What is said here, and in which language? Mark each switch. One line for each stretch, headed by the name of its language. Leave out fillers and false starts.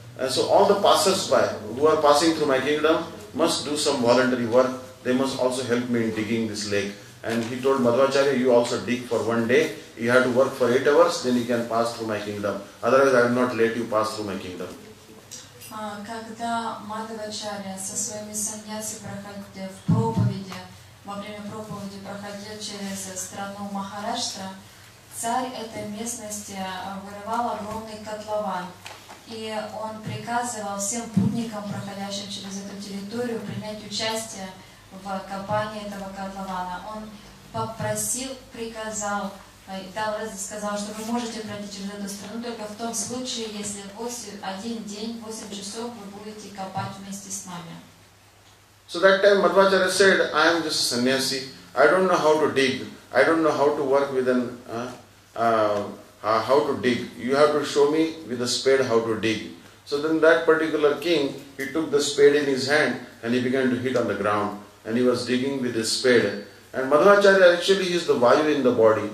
English: And so all the passers-by who are passing through my kingdom must do some voluntary work. They must also help me in digging this lake. And he told Madhvacharya, you also dig for one day. You have to work for 8 hours, then you can pass through my kingdom. Otherwise, I will not let you pass through my kingdom.
Russian: Когда Мадхвачарья со своими саньяси проходил в проповеди, во время проповеди проходил через страну Махараштра, царь этой местности вырывал огромный котлован. И он приказывал всем путникам, проходящим через эту территорию, принять участие в копании этого котлована. Он попросил, приказал, дал, сказал, что вы можете пройти через эту страну только в том случае, если 8 часов вы будете копать вместе с нами.
English: So that time Madhvacharya said, I am just a sannyasi. I don't know how to dig. I don't know how to work with an... how to dig. You have to show me with a spade how to dig. So then that particular king, he took the spade in his hand and he began to hit on the ground. And he was digging with his spade. And Madhvacharya actually is the Vayu in the body.